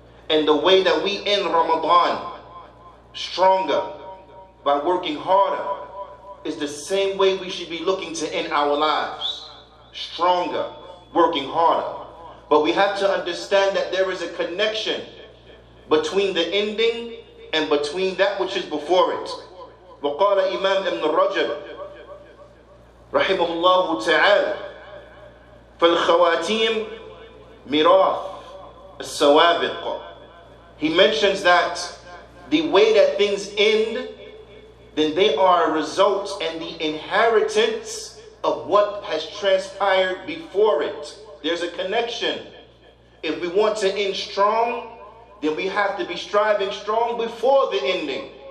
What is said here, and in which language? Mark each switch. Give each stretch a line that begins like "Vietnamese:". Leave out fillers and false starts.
English: And the way that we end Ramadan stronger by working harder is the same way we should be looking to end our lives. Stronger, working harder. But we have to understand that there is a connection between the ending and between that which is before it.
Arabic: وقال إمام ابن رجب رحمه الله تعالى فالخواتيم ميراث السوابق.
English: He mentions that the way that things end, then they are a result and the inheritance of what has transpired before it. There's a connection. If we want to end strong, then we have to be striving strong before the ending.